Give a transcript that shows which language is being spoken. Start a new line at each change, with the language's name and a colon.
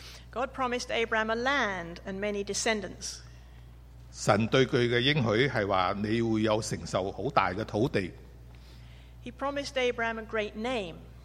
English: God promised Abraham a land and many descendants.
Chinese: 神对他的应许是说你会有承受很大的土地。
English: He promised Abraham a great name.